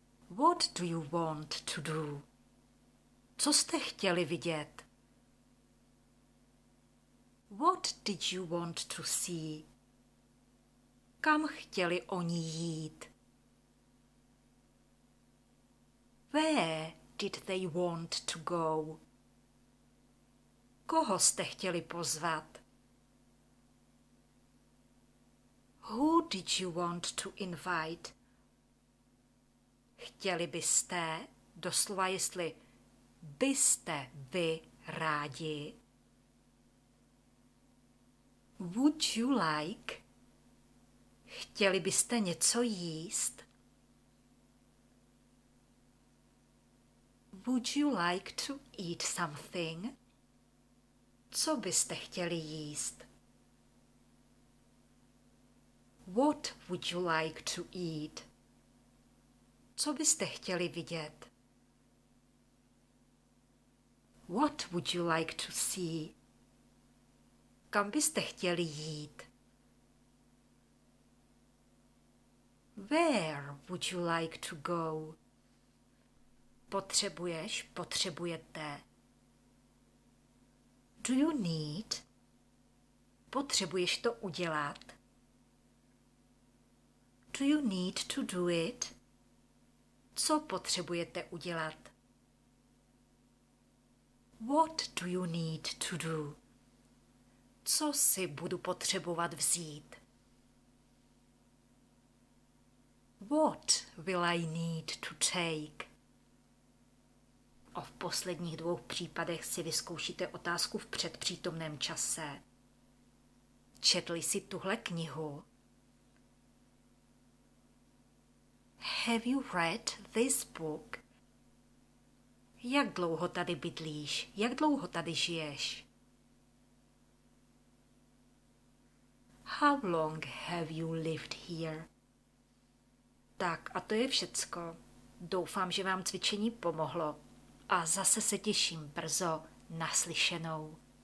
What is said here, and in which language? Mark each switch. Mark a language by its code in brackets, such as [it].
[en] What do you want to do? [cs] Co jste chtěli vidět? [en] What did you want to see? [cs] Kam chtěli oni jít? [en] Where did they want to go? [cs] Koho jste chtěli pozvat? [en] Who did you want to invite? [cs] Chtěli byste, doslova jestli byste vy rádi? [en] Would you like? [cs] Chtěli byste něco jíst? [en] Would you like to eat something? [cs] Co byste chtěli jíst? [en] What would you like to eat? [cs] Co byste chtěli vidět? [en] What would you like to see? [cs] Kam byste chtěli jít? [en] Where would you like to go? [cs] Potřebuješ, potřebujete. [en] Do you need? [cs] Potřebuješ to udělat. [en] Do you need to do it? [cs] Co potřebujete udělat? [en] What do you need to do? [cs] Co si budu potřebovat vzít? [en] What will I need to take? [cs] A v posledních dvou případech si vyzkoušíte otázku v předpřítomném čase. Četli si tuhle knihu? [en] Have you read this book? [cs] Jak dlouho tady bydlíš? Jak dlouho tady žiješ? [en] How long have you lived here? [cs] Tak a to je všecko. Doufám, že vám cvičení pomohlo. A zase se těším brzo naslyšenou.